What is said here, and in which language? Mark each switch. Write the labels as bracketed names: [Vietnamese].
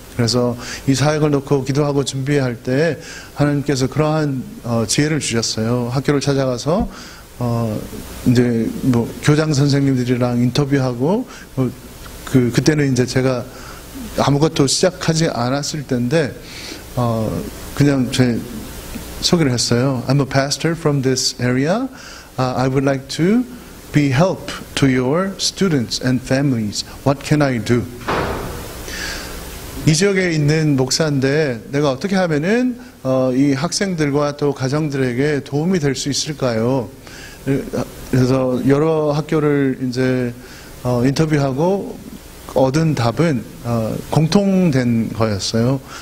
[Korean] 그래서 이 사역을 놓고 기도하고 준비할 때 하나님께서 그러한 지혜를 주셨어요. 학교를 찾아가서 이제 뭐 교장 선생님들이랑 인터뷰하고 그때는 이제 제가 아무것도 시작하지 않았을 때인데 그냥 제 소개를 했어요. [English] I'm a pastor from this area. I would like to be help to your students and families. What can I do? [Korean] 이 지역에 있는 목사인데 내가 어떻게 하면은 이 학생들과 또 가정들에게 도움이 될 수 있을까요? 그래서 여러 학교를 이제 인터뷰하고 얻은 답은 공통된 거였어요.